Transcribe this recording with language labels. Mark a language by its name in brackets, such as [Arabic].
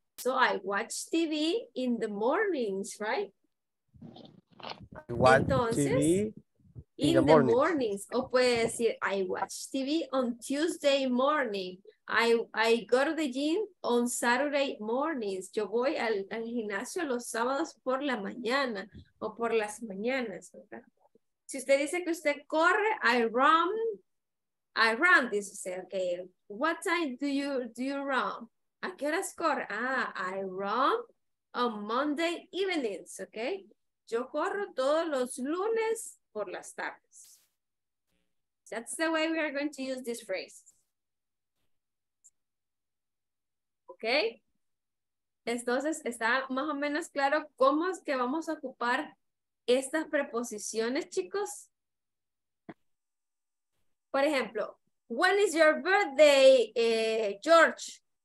[English] So I watch TV in the mornings, right? In the mornings. [Spanish] O puede decir, [English] I watch TV on Tuesday morning. I go to the gym on Saturday mornings. [Spanish] Yo voy al gimnasio los sábados por la mañana o por las mañanas, ¿verdad? Si usted dice que usted corre, [English] I run, [Spanish] dice usted, okay. [English] What time do you run? [Spanish] ¿A qué horas corre? [English] I run on Monday evenings, okay? [Spanish] Yo corro todos los lunes por las tardes. [English] That's the way we are going to use this phrase. Okay. [Spanish] Entonces, ¿está más o menos claro cómo es que vamos a ocupar estas preposiciones, chicos? Por ejemplo, [English] when is your birthday, George?